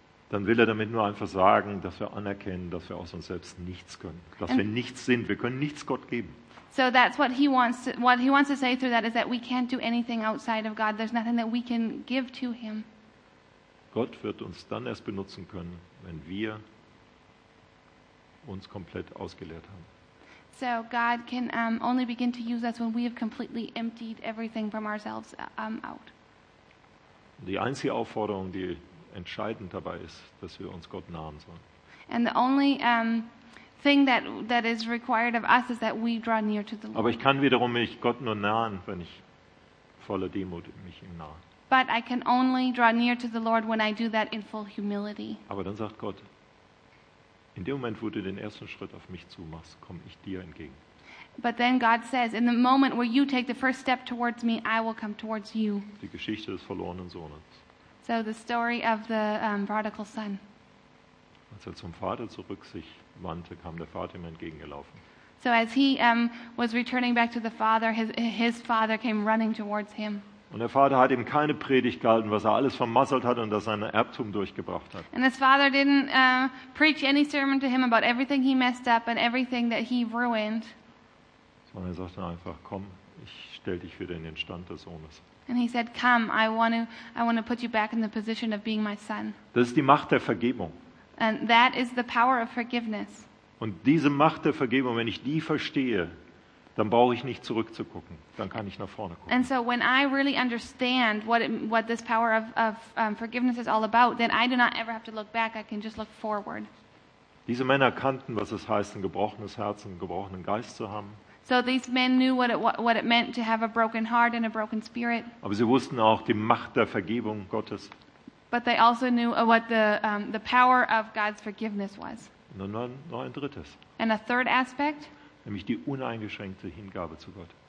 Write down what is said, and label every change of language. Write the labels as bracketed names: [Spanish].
[German] dann will er damit nur einfach sagen, dass wir anerkennen, dass wir aus uns selbst nichts können, dass wir nichts sind, wir können nichts Gott geben. [English] So that's what he wants to say through that is that we can't do anything outside of God. There's nothing that we can give to him. [German] Gott wird uns dann erst benutzen können, wenn wir uns komplett ausgeleert haben. [English] So God can only begin to use us when we have completely emptied everything from ourselves out. [German] Die einzige Aufforderung, die entscheidend dabei ist, dass wir uns Gott nahen sollen. [English] And the only thing that is required of us is that we draw near to the Lord. [German] Aber ich kann wiederum mich Gott nur nahen, wenn ich voller Demut mich ihm nahe. [English] But I can only draw near to the Lord when I do that in full humility. [German] Aber dann sagt Gott, in dem Moment, wo du den ersten Schritt auf mich zumachst, komme ich dir entgegen. [English] But then God says, in the moment where you take the first step towards me, I will come towards you. [German] Die Geschichte des verlorenen Sohnes. [English] So the story of the prodigal son. [German] Als er zum Vater zurück sich wandte, kam der Vater ihm entgegengelaufen. [English] So as he was returning back to the father, his father came running towards him. [German] Und der Vater hat ihm keine Predigt gehalten, was er alles vermasselt hat und das sein Erbtum durchgebracht hat. [English] And his father didn't preach any sermon to him about everything he messed up and everything that he ruined. [German] Sondern er sagte einfach, komm, ich stell dich wieder in den Stand des Sohnes. [English] And he said, come, I want to put you back in the position of being my son. [German] Das ist die Macht der Vergebung. [English] And that is the power of forgiveness. [German] Und diese Macht der Vergebung, wenn ich die verstehe, dann brauche ich nicht zurückzugucken, dann kann ich nach vorne gucken. [English] And so when I really understand what this power of forgiveness is all about, then I do not ever have to look back, I can just look forward. [German] Diese Männer kannten, was es heißt, ein gebrochenes Herz und einen gebrochenen Geist zu haben. [English] So these men knew what it meant to have a broken heart and a broken spirit. [German] Aber sie wussten auch die Macht der Vergebung Gottes. [English] But they also knew what the power of God's forgiveness was. [German] Und dann noch ein drittes. [English] And a third aspect. [German] Nämlich die uneingeschränkte Hingabe zu Gott.